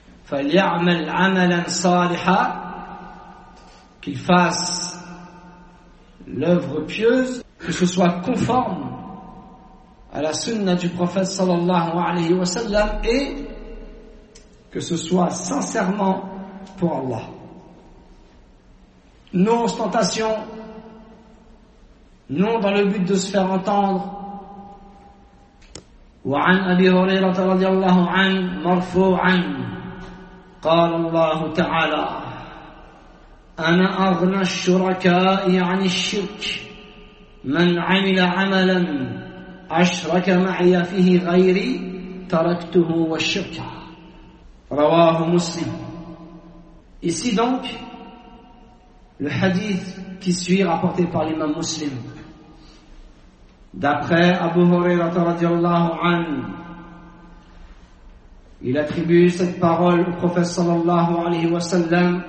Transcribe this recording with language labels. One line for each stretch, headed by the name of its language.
Arabic: فَلْيَعْمَلْ عَمَلًا صَالِحًا
French: qu'il fasse l'œuvre pieuse, que ce soit conforme à la sunna du prophète sallallahu alayhi wa sallam et que ce soit sincèrement pour Allah. Non ostentation, non dans le but de se faire entendre.
Arabic: وَعَنْ أَبِي هُرَيْرَةَ رَضِيَ اللَّهُ عَنْ مَرْفُوعًا قال الله تعالى أنا أغنى الشركاء عن الشرك من عمل عملا أشرك معي فيه غيري تركته والشرك رواه مسلم.
French: Ici donc le hadith qui suit rapporté par l'imam Muslim d'après Abu Hurairah radiallahu anhu. Il attribue cette parole au prophète sallallahu alayhi wa sallam.